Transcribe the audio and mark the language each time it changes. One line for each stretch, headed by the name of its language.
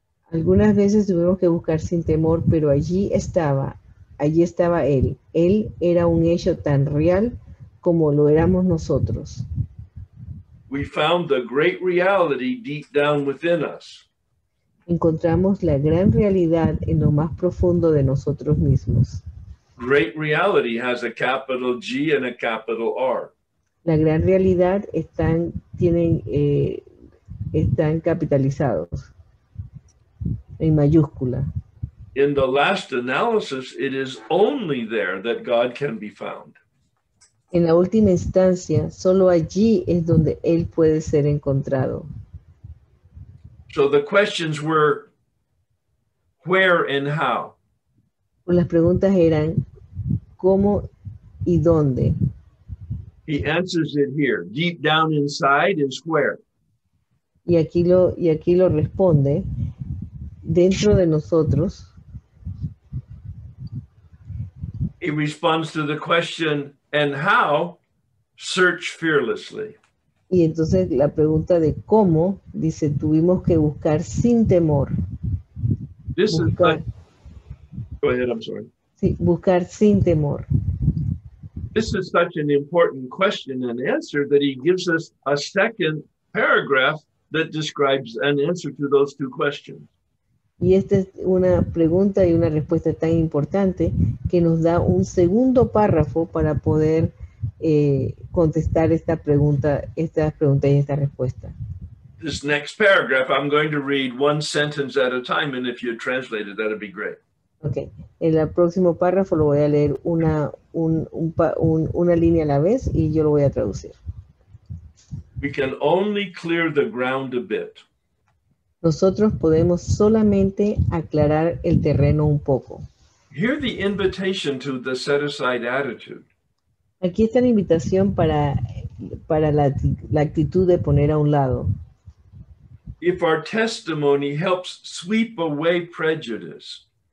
Spanish: Algunas veces tuvimos que buscar sin temor, pero allí estaba él. Él era un hecho tan real como lo éramos nosotros.
English: We found the great reality deep down within us.
Spanish: Encontramos la gran realidad en lo más profundo de nosotros mismos.
English: Great reality has a capital G and a capital R.
Spanish: La gran realidad están capitalizados. En mayúscula.
English: In the last analysis, it is only there that God can be found.
Spanish: En la última instancia, solo allí es donde él puede ser encontrado.
English: So the questions were, where and how?
Spanish: Las preguntas eran, ¿cómo y dónde?
English: He answers it here, deep down inside is where.
Spanish: Y aquí lo responde. Dentro de nosotros.
English: He responds to the question, and how? Search fearlessly.
Spanish: Y entonces la pregunta de cómo, dice, tuvimos que buscar sin temor.
English: This buscar. Is such, go ahead, I'm sorry.
Spanish: Sí, buscar sin temor.
English: This is such an important question and answer that he gives us a second paragraph that describes an answer to those two questions.
Spanish: Y esta es una pregunta y una respuesta tan importante que nos da un segundo párrafo para poder contestar esta pregunta y esta respuesta.
English: this next paragraph, I'm going to read one sentence at a time, and if you translate it, that'd be great. Okay.
Spanish: En el próximo párrafo lo voy a leer una línea a la vez y yo lo voy a traducir.
English: We can only clear the ground a bit.
Spanish: Nosotros podemos solamente aclarar el terreno un poco.
English: Hear the invitation to the set aside attitude.
Spanish: Aquí está la invitación para la actitud de poner a un lado.
English: If our testimony helps sweep away prejudice.